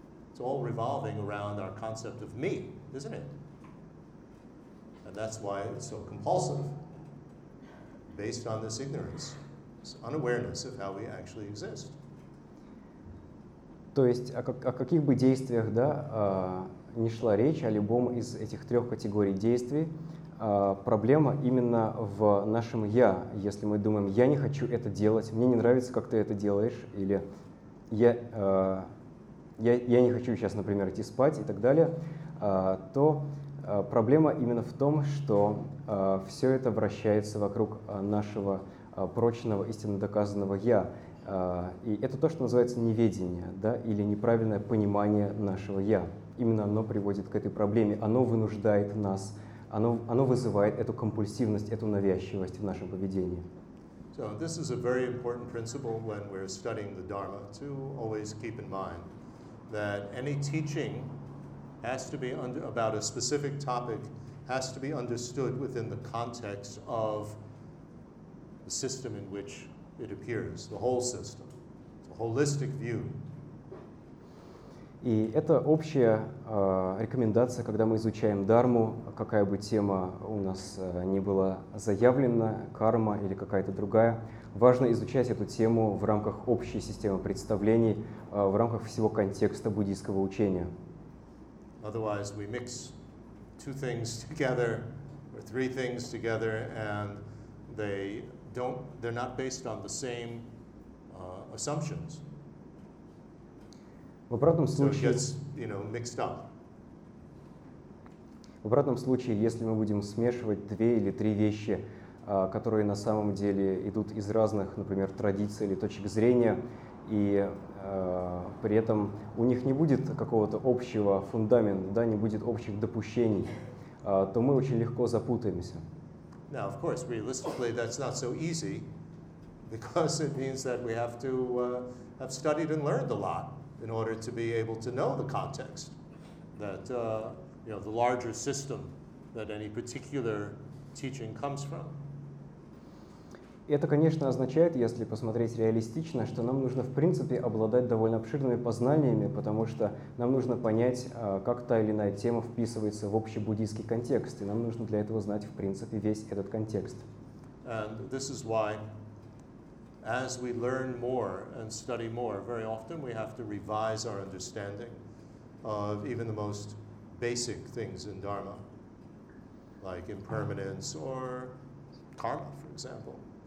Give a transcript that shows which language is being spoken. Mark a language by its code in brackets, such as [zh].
[en] It's all revolving around our concept of me, isn't it? And that's why it's so compulsive, based on this ignorance, this unawareness of how we actually exist. [ru] То есть, о каких бы действиях, да, не шла речь, о любом из этих трех категорий действий, проблема именно в нашем «я». Если мы думаем «я не хочу это делать», «мне не нравится, как ты это делаешь», или «я не хочу сейчас, например, идти спать» и так далее, то проблема именно в том, что все это вращается вокруг нашего прочного, истинно доказанного «я». И это то, что называется неведение, да, или неправильное понимание нашего «я». Именно оно приводит к этой проблеме, оно вынуждает нас, оно вызывает эту компульсивность, эту навязчивость в нашем поведении. [en] So, this is a very important principle when we're studying the Dharma to always keep in mind that any teaching has to be about a specific topic has to be understood within the context of the system in which it appears, the whole system. It's a holistic view. [ru] И это общая рекомендация, когда мы изучаем дхарму, какая бы тема у нас ни была заявлена, карма или какая-то другая. Важно изучать эту тему в рамках общей системы представлений, в рамках всего контекста буддийского учения. [en] Otherwise, we mix two things together or three things together, and they're not based on the same assumptions. [ru] В обратном случае, если мы будем смешивать две или три вещи, которые на самом деле идут из разных, например, традиций или точек зрения, и при этом у них не будет какого-то общего фундамента, да, не будет общих допущений, то мы очень легко запутаемся. [en] Now, of course, realistically, that's not so easy, because it means that we have to have studied and learned a lot in order to be able to know the context, that you know, the larger system that any particular teaching comes from. [ru] Это, конечно, означает, если посмотреть реалистично, что нам нужно, в принципе, обладать довольно обширными познаниями, потому что нам нужно понять, как та или иная тема вписывается в общий буддийский контекст, и нам нужно для этого знать, в принципе, весь этот контекст. [en] And this is why, as we learn more and study more, very often we have to revise our understanding of even the most basic things in Dharma, like impermanence or karma, for example.